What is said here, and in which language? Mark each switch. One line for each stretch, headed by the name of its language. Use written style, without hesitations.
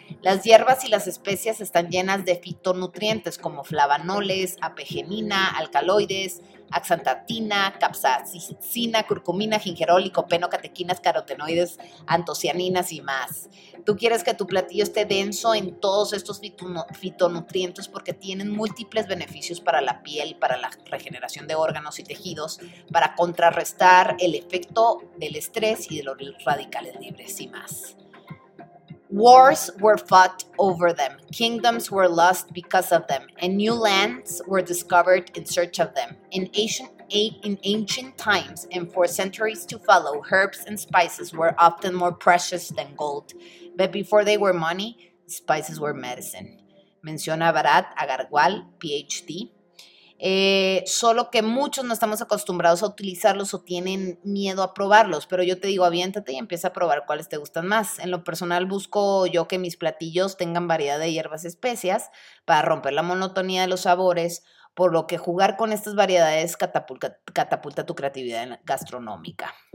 Spanish: Las hierbas y las especias están llenas de fitonutrientes como flavanoles, apigenina, alcaloides, axantatina, capsaicina, curcumina, gingerol, licopeno, catequinas, carotenoides, antocianinas y más. Tú quieres que tu platillo esté denso en todos estos fitonutrientes porque tienen múltiples beneficios para la piel, para la regeneración de órganos y tejidos, para contrarrestar el efecto del estrés y de los radicales libres y más.
English: Wars were fought over them. Kingdoms were lost because of them. And new lands were discovered in search of them. In ancient times and for centuries to follow, herbs and spices were often more precious than gold. But before they were money, spices were medicine.
Spanish: Menciona Bharat Agarwal, PhD. Solo que muchos no estamos acostumbrados a utilizarlos o tienen miedo a probarlos, pero yo te digo, aviéntate y empieza a probar cuáles te gustan más. En lo personal busco yo que mis platillos tengan variedad de hierbas y especias para romper la monotonía de los sabores, por lo que jugar con estas variedades catapulta tu creatividad gastronómica.